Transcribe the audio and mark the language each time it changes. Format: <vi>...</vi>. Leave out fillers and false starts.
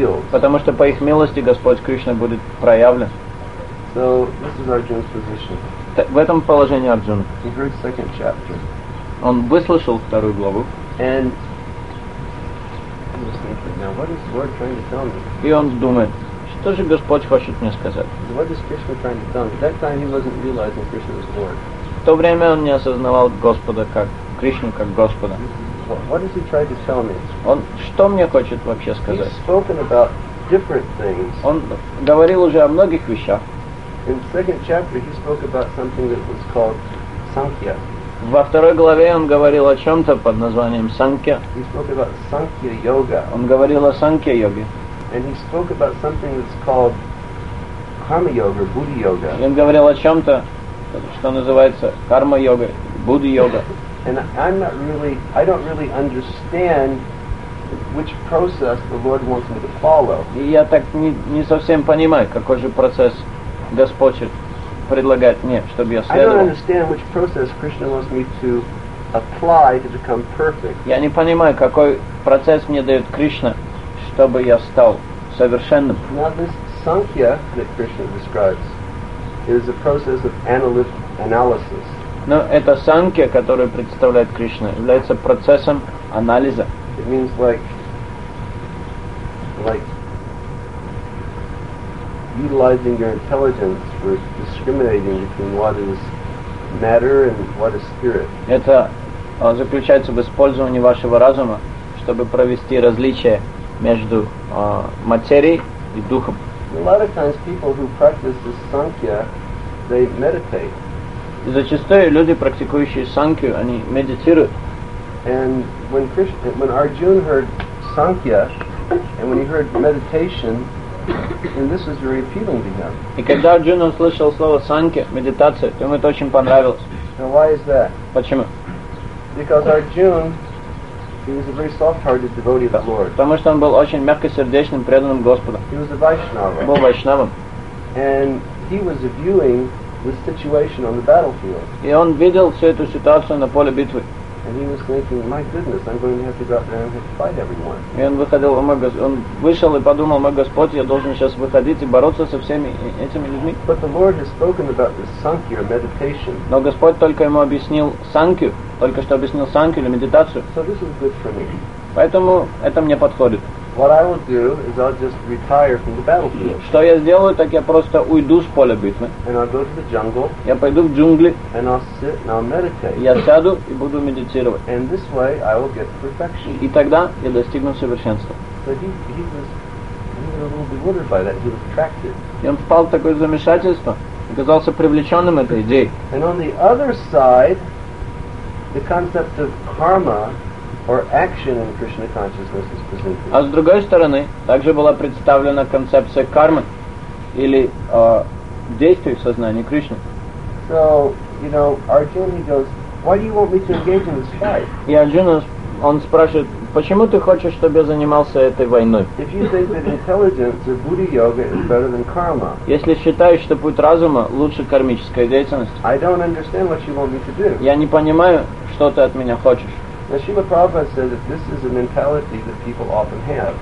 <ru>Потому что по их милости Господь Кришна будет проявлен.</ru> <en>So, this is Arjuna's position.</en> <ru>В этом положении Арджуна.</ru> <en>He heard second chapter.</en> <ru>Он выслушал вторую главу.</ru> <en>And now, what is the Lord trying to tell me?</en> <ru>И он думает, что же Господь хочет мне сказать?</ru> <en>What is Krishna trying to tell me? That time he wasn't realizing Krishna was Lord.</en> <ru>В то время он не осознавал Господа как Кришну как Господа.</ru> <en>What is he trying to tell me?</en> <ru>Он что мне хочет вообще сказать?</ru> <en>He's spoken about different things.</en> <ru>Он говорил уже о многих вещах.</ru> <en>In the second chapter he spoke about something that was called Sankhya.</en> <ru>Во второй главе он говорил о чем-то под названием Санкья.</ru> <en>He spoke about Sankhya Yoga.</en> <ru>Он говорил о Санкхья йоге.</ru> <en>And he spoke about something that's called karma yoga or buddhi yoga.</en> <ru>И он говорил о чем-то, что называется карма йога, буддхи йога.</ru> <en>And I don't really understand which process the Lord wants me to follow.</en> <ru>И я так не совсем понимаю, какой же процесс Господь хочет предлагать мне, чтобы я следовал.</ru> <en>I don't understand which process Krishna wants me to apply to become perfect.</en> <ru>Я не понимаю, какой процесс мне дает Кришна, чтобы я стал совершенным.</ru> <en>Now this Sankhya that Krishna describes is a process of analysis.</en> <ru>Но это Sankhya, которую представляет Кришна, является процессом анализа.</ru> <en>It means like utilizing your intelligence for discriminating between what is matter and what is spirit.</en> <ru>Это заключается в использовании вашего разума, чтобы провести различие между материей и духом.</ru> <en>A lot of times people who practice this Sankhya, they meditate.</en> <ru>И зачастую люди, практикующие Sankhya, они медитируют.</ru> <en>And when Arjuna heard Sankhya, and when he heard meditation, then this was very appealing to him.</en> <ru>И когда Арджуна услышал слово Sankhya, медитация, то ему это очень понравилось.</ru> <en>Now why is that?</en> <ru>Почему?</ru> <en>Because Arjuna, he was a very soft-hearted devotee of the Lord.</en> <ru>Потому что он был очень мягкосердечным, преданным Господу.</ru> <en>He was a Vaishnava.</en> <ru>Он был вайшнавом.</ru> <en>And he was viewing the situation on the battlefield.</en> <ru>И он видел всю эту ситуацию на поле битвы.</ru> <en>And he was thinking, my goodness, I'm going to have to go out there and fight everyone.</en> <ru>И он выходил, он вышел и подумал, мой Господь, я должен сейчас выходить и бороться со всеми этими людьми.</ru> <en>But the Lord has spoken about this sankhya meditation.</en> <ru>Но Господь только ему объяснил санкью, только что объяснил санкью или медитацию.</ru> <en>So this is good for me.</en> <ru>Поэтому это мне подходит.</ru> <en>What I will do is I'll just retire from the battlefield.</en> <ru>Что я сделаю, так я просто уйду с поля битвы.</ru> <en>And I'll go to the jungle.</en> <ru>Я пойду в джунгли.</ru> <en>And I'll sit and I'll meditate.</en> <ru>Я сяду и буду медитировать.</ru> <en>And this way I will get perfection.</en> <ru>И тогда я достигну совершенства.</ru> <en>So he was a little bewildered by that. He was attracted.</en> <ru>И он впал в такое замешательство, оказался привлеченным этой идеей.</ru> <en>And on the other side, the concept of karma or action in Krishna consciousness is presented.</en> <ru>А с другой стороны, также была представлена концепция кармы или действий в сознании Кришны.</ru> <en>So, you know, Arjuna goes, why do you want me to engage in this fight?</en> <ru>И Арджуна, он спрашивает, почему ты хочешь, чтобы я занимался этой войной?</ru> <en>If you think that intelligence or Buddha yoga is better than karma.</en> <ru>Если считаешь, что путь разума лучше кармической деятельности.</ru> <en>I don't understand what you want me to do.</en> <ru>Я не понимаю, что ты от меня хочешь.</ru> <en>Srila Prabhupada says that this is a mentality that people often have.</en>